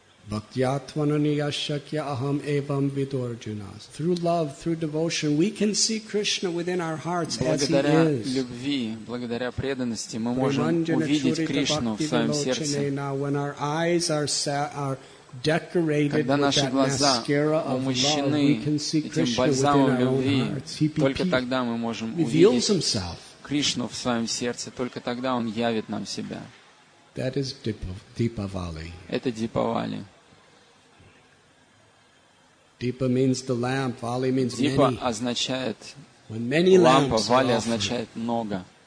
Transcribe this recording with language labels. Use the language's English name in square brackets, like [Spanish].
[Sanskrit] Bhaktyatvananiyashakya aham evam vidurjuna. [English] Through love, through devotion, we can see Krishna within our hearts as he is. [Russian] Благодаря любви, благодаря преданности, мы можем увидеть Кришну в своем сердце. [English] When our eyes are decorated with that mascara of love, we can see Krishna within our own hearts. [Russian] Только тогда мы можем увидеть Кришну в своем сердце. Только тогда он явит нам себя. [English] That is Deepavali. [Russian] Это Дипавали. [English] Deepa means the lamp, Vali means many. [Russian] Дипа означает лампа, Вали означает много.